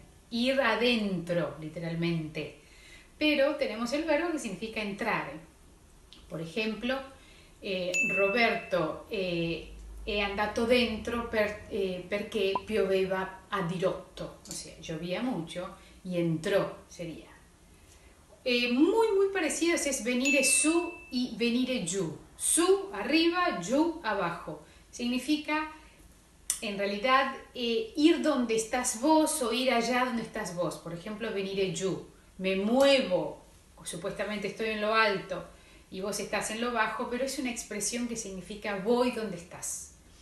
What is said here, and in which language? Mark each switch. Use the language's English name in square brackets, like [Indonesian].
[Spanish] Ir adentro literalmente. Pero tenemos el verbo que significa entrar. Por ejemplo, [Italian] Roberto è andato dentro perché pioveva a dirotto, [Spanish] o sea, llovía mucho y entró, sería. Muy parecidos es venire su y venire giù. Su arriba, giù abajo. Significa, en realidad, ir donde estás vos o ir allá donde estás vos. Por ejemplo, venire giù. Me muevo, supuestamente estoy en lo alto y vos estás en lo bajo, pero es una expresión que significa voy donde estás.